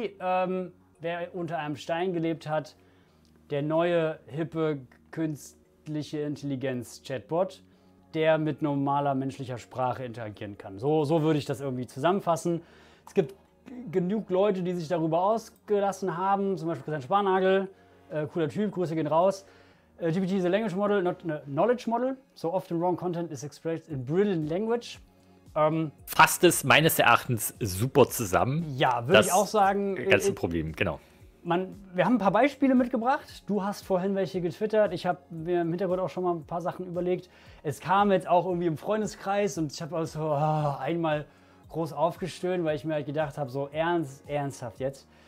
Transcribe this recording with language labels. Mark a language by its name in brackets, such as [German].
[German] Wer unter einem Stein gelebt hat, der neue, hippe, künstliche Intelligenz-Chatbot, der mit normaler, menschlicher Sprache interagieren kann. So würde ich das irgendwie zusammenfassen. Es gibt genug Leute, die sich darüber ausgelassen haben, zum Beispiel Christian Sparnagel, cooler Typ, Grüße gehen raus. [English] GPT is a language model, not a knowledge model. So often wrong content is expressed in brilliant language. [German] Fasst es meines Erachtens super zusammen. Ja, würde ich auch sagen. Ganz ein Problem, genau. Wir haben ein paar Beispiele mitgebracht. Du hast vorhin welche getwittert. Ich habe mir im Hintergrund auch schon mal ein paar Sachen überlegt. Es kam jetzt auch irgendwie im Freundeskreis und ich habe auch so einmal groß aufgestöhnt, weil ich mir halt gedacht habe, so ernsthaft jetzt.